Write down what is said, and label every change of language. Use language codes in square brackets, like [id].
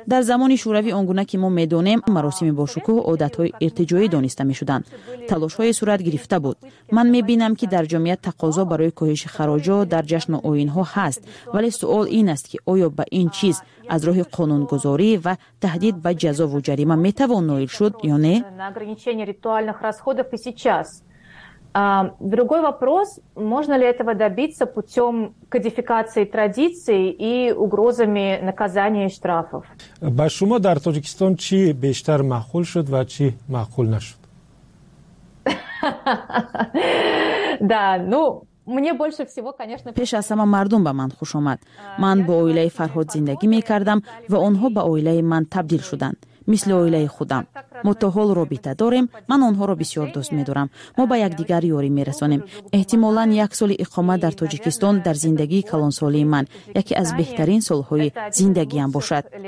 [fa] در زمان شوروی آنگونه که ما میدونیم، مراسم باشکوه عادت های ارتجایی دانسته میشدند. تلاش های صورت گرفته بود. من میبینم که در جامعه تقاضا برای کاهش خراج ها در جشن آیین ها هست، ولی سوال این است که آیا به این چیز از راه قانون گذاری و تهدید به جزا و جریمه میتوان نائل شد یا نه؟ [ru] На ограничение ритуальных расходов и сейчас. Другой вопрос, можно ли этого добиться путем кодификации традиций и угрозами наказания и штрафов? [tg] Ба шумо дар Тоҷикистон чи бештар маҳқул шуд ва чи маҳқул нашуд? [ru] Да, ну мне больше всего, конечно, [tg] пеш аз ҳама мардум ба ман хуш омад. Ман бо оилаи Фарҳод зиндагӣ мекардам ва онҳо ба оилаи ман табдил шуданд. Мисли оилаи худам. Мо то ҳол робита дорем, ман онҳоро бисёр дӯст медорам. Мо ба якдигар ёрӣ мерасонем. Эҳтимолан як соли иқомат дар Тоҷикистон дар зиндагии калонсолии ман яке аз беҳтарин солҳои зиндагиам бошад.